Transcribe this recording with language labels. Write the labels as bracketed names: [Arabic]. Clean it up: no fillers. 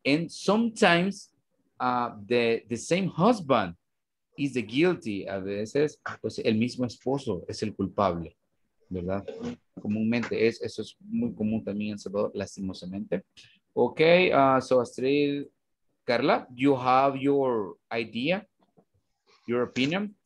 [English] And sometimes the same husband is the guilty. [Spanish] A veces, pues el mismo esposo es el culpable, ¿verdad? Comúnmente es, eso es muy común también en Salvador, lastimosamente. [English] Okay, so Astrid, Carla, you have your idea, your opinion.